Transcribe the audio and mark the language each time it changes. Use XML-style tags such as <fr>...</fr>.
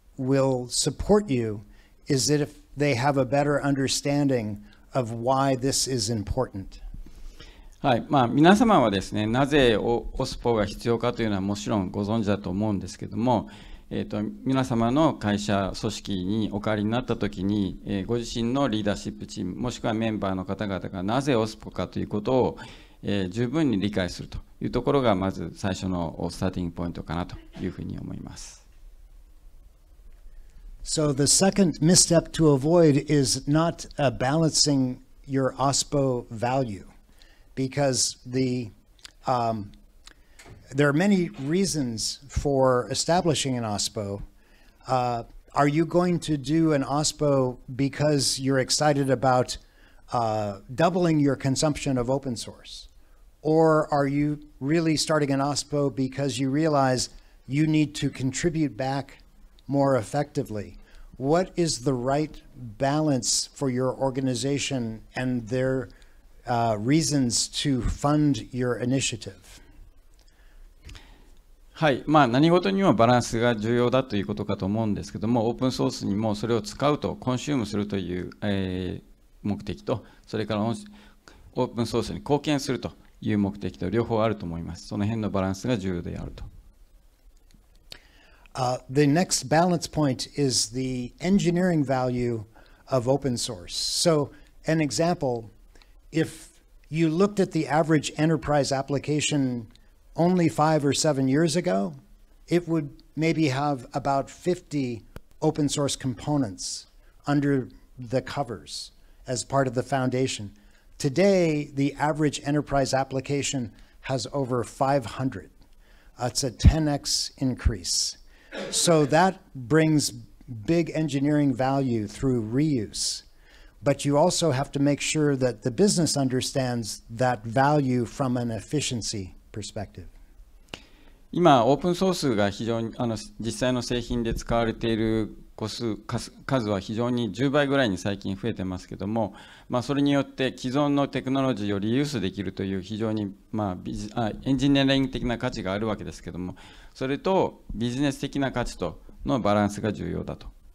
<en>will support you is that if they have a better understanding of why this is important.</en> <ja>はい、まあ皆様はですね、なぜOSPOが必要かというのはもちろんご存知だと思うんですけども、皆様の会社組織にお借りになったときに、ご自身のリーダーシップチームもしくはメンバーの方々がなぜOSPOかということを、十分に理解するというところがまず最初のスターティングポイントかなというふうに思います。</ja> <en>So the second misstep to avoid is not balancing your OSPO value, because there are many reasons for establishing an OSPO. Are you going to do an OSPO because you're excited about doubling your consumption of open source? Or are you really starting an OSPO because you realize you need to contribute back more effectively? What is the right balance for your organization and their reasons to fund your initiative?</en> <ja>はい、まあ何事にもバランスが重要だということかと思うんですけども、オープンソースにもそれを使うと、コンシュームするという、目的と、それからオープンソースに貢献するという目的と両方あると思います。その辺のバランスが重要であると。</ja> <en>The next balance point is the engineering value of open source. So, an example, if you looked at the average enterprise application only 5 or 7 years ago, it would maybe have about 50 open source components under the covers as part of the foundation. Today, the average enterprise application has over 500. That's a 10x increase. So that brings big engineering value through reuse. But you also have to make sure that the business understands that value from an efficiency perspective.</en> <ja>今、オープンソースが非常に実際の製品で使われている個数、数は非常に10倍ぐらいに最近増えてますけども、まあ、それによって既存のテクノロジーをリユースできるという非常に、まあ、エンジニアリング的な価値があるわけですけども、それとビジネス的な価値とのバランスが重要だと。</ja>